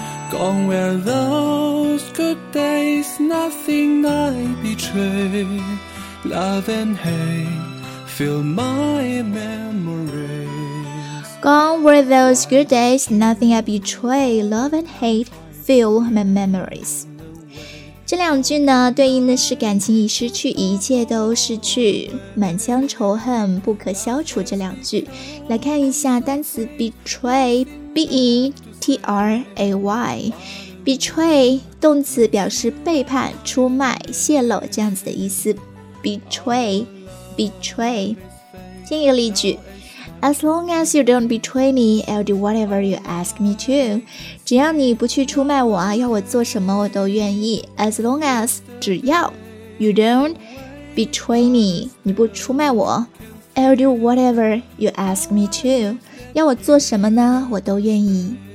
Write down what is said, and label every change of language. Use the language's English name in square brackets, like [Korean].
[English] Gone were those good days, nothing I betray. Love and hateFill my memories. Gone were those good days, nothing I betray. Love and hate fill my memories. [Chinese] 这两句呢，对应的是感情已失去，一切都失去，满腔仇恨不可消除这两句。来看一下单词 betray， B-E-T-R-A-Y。 Betray 动词表示背叛、出卖、泄露这样子的意思。Betray。 Betray. 听一个例句， [English] As long as you don't betray me, I'll do whatever you ask me to. [Chinese] 只要你不去出卖我啊，要我做什么我都愿意。 [English] As long as [Chinese] 只要 [English] you don't betray me， [Chinese] 你不出卖我， [English] I'll do whatever you ask me to， [Chinese] 要我做什么呢我都愿意。